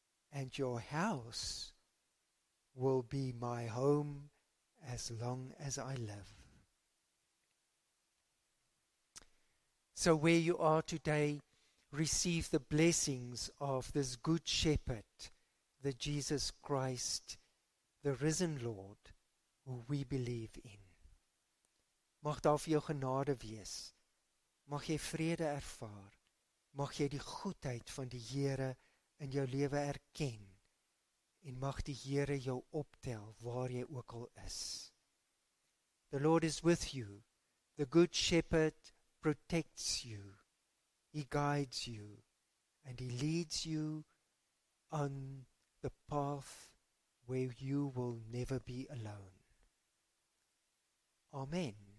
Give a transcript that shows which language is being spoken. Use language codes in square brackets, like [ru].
[en] And your house will be my home as long as I live. So where you are today, receive the blessings of this good shepherd, the Jesus Christ, the risen Lord, who we believe in. [af] Mag daar vir jou genade wees. Mag jy vrede ervaar. Mag jy die goedheid van die Here ervaar. in jou lewe erken en mag die Here jou optel waar jy ook al is. [en] The Lord is with you. The good shepherd protects you. He guides you and he leads you on the path where you will never be alone. Amen.